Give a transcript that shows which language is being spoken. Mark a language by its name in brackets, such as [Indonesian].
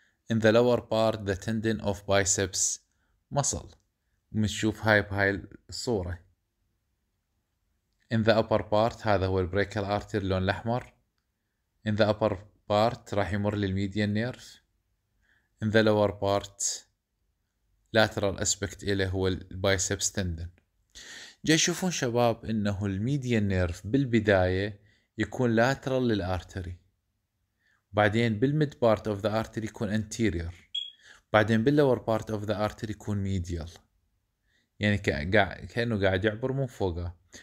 [English] In the lower part the tendon of biceps muscle. [Arabic] ومنشوف هاي بهاي الصورة. [English] In the upper part [Arabic] هذا هو البريكال ارتر اللون الأحمر. In the upper part راح يمر للميديان نيرف. [English] In the lower part lateral aspect [Arabic] إليه هو [English] البايسبس تندن. [Arabic] جاي يشوفون شباب انه الميديا نيرف بالبداية يكون لاترال للارتري، بعدين بالميد بارت اوف ذا ارتري يكون انتيرير، بعدين باللور بارت اوف ذا ارتري يكون ميديال، يعني كأنه قاعد يعبر من فوقه.